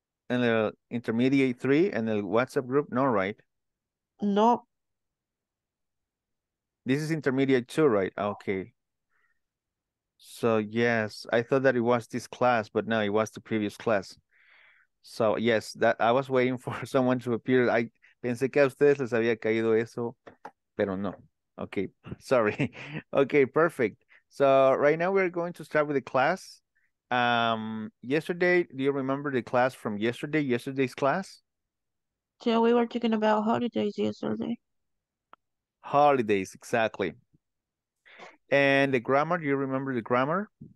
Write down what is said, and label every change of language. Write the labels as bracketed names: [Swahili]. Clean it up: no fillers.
[Spanish] En el Intermediate 3, en el WhatsApp group, no, right? [English] No. This is Intermediate 2, right? Okay. So, yes, I thought that it was this class, but no, it was the previous class. So, yes, that I was waiting for someone to appear. [Spanish] Pensé que a ustedes les había caído eso, pero no. [English] Okay, sorry. Okay, perfect. So right now we're going to start with the class. Yesterday, do you remember the class from yesterday? Yesterday's class? So we were talking about holidays yesterday. Holidays, exactly. And the grammar, do you remember the grammar?